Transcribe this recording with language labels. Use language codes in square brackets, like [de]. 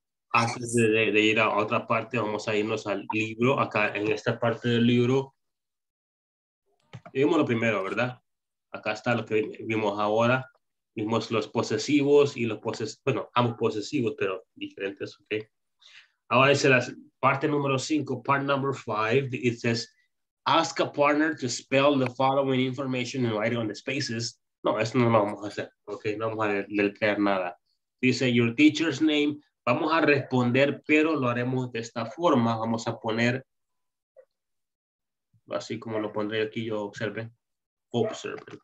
[es] Antes de ir a otra parte, vamos a irnos al libro. Acá en esta parte del libro, vimos lo primero, ¿verdad? Acá está lo que vimos ahora. Vimos los posesivos y los posesivos, bueno, ambos posesivos, pero diferentes, ¿ok? Ahora dice la parte número 5, [en] part number 5. It says, ask a partner to spell the following information and write it on the spaces. [es] No, eso no lo vamos a hacer, ¿ok? No vamos a leer nada. Dice, your teacher's name. Vamos a responder, pero lo haremos de esta forma. Vamos a poner, así como lo pondré aquí, yo observe. Observe.